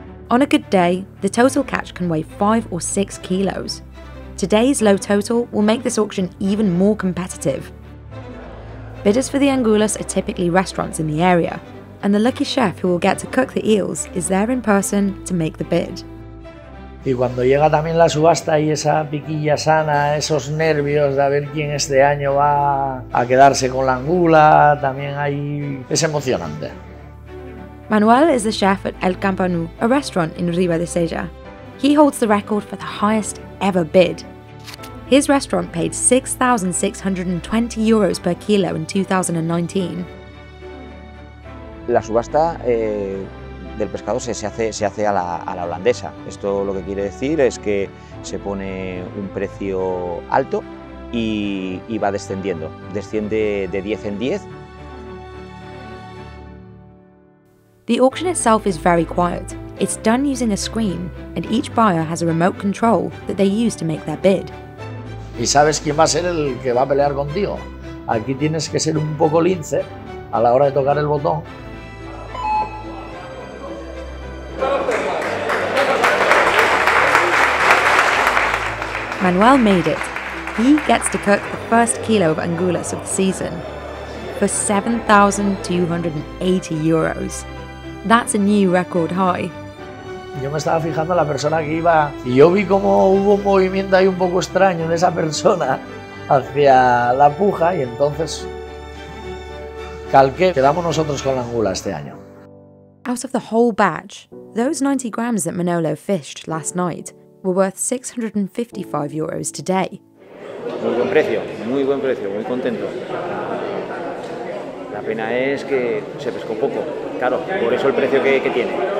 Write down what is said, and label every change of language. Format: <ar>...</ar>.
<en>On a good day, the total catch can weigh 5 or 6 kilos. Today's low total will make this auction even more competitive. Bidders for the angulas are typically restaurants in the area, and the lucky chef who will get to cook the eels is there in person to make the bid.</en> <es>Y cuando llega también la subasta y esa piquilla sana, esos nervios de a ver quién este año va a quedarse con la angula, también ahí es emocionante.</es> <en>Manuel is the chef at El Campanu, a restaurant in Riva de Seja. He holds the record for the highest ever bid. His restaurant paid 6,620 euros per kilo in 2019.</en> <es>La subasta del pescado se hace a la holandesa. Esto lo que quiere decir es que se pone un precio alto y va descendiendo. Desciende de 10 en 10.</es> <en>The auction itself is very quiet. It's done using a screen, and each buyer has a remote control that they use to make their bid.</en> <es>¿Y sabes quién va a ser el que va a pelear contigo? Aquí tienes que ser un poco lince a la hora de tocar el botón.</es> <en>Manuel made it. He gets to cook the first kilo of angulas of the season for 7,280 euros. That's a new record high.</en> <es>Yo me estaba fijando a la persona que iba y yo vi como hubo un movimiento ahí un poco extraño de esa persona hacia la puja y entonces calqué. Quedamos nosotros con la angula este año.</es> <en>Out of the whole batch, those 90 grams that Manolo fished last night were worth 655 euros today.</en> <es>Muy buen precio, muy buen precio, muy contento. La pena es que se pescó poco, claro, por eso el precio que tiene.</es>